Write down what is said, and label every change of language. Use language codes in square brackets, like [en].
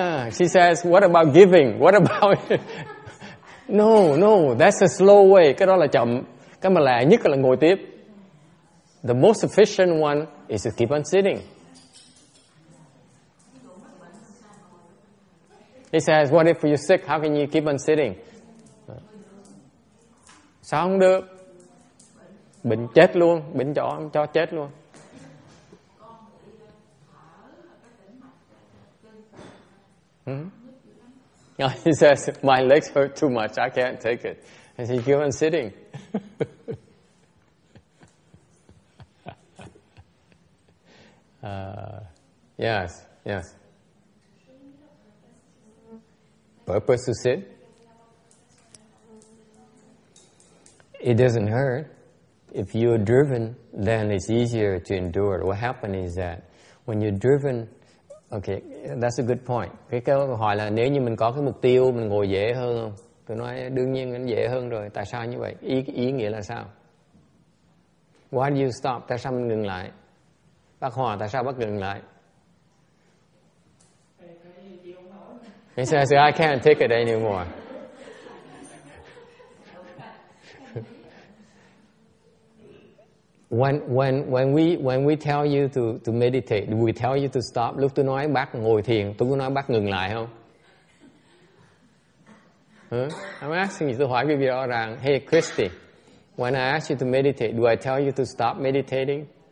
[en] She says, what about giving? What about no, that's a slow way. [vi] Cái đó là chậm. Cái mà lẹ nhất là ngồi tiếp. [en] The most efficient one is to keep on sitting. He says, what if you're sick? How can you keep on sitting? [vi] Sao không được? Bệnh chết luôn, bệnh chó cho chết luôn. [en] He says, my legs hurt too much, I can't take it. And he keeps on sitting. yes. Purpose to sit? It doesn't hurt. If you're driven, then it's easier to endure. What happened is that when you're driven, okay, that's a good point. [vi] Cái câu hỏi là nếu như mình có cái mục tiêu, mình ngồi dễ hơn không? Tôi nói đương nhiên dễ hơn rồi. Tại sao như vậy? Ý nghĩa là sao? [en] Why do you stop? [vi] Tại sao mình ngừng lại? Bác Hòa, tại sao bác ngừng lại? [en] He says, I can't take it anymore. When we tell you to meditate, we tell you to stop. [vi] Lúc tôi nói bác ngồi thiền, tôi có nói bác ngừng lại không? [en] I'm asking you, [vi] tôi hỏi quý vị rõ ràng. [en] Hey Christy, when I ask you to meditate, do I tell you to stop meditating?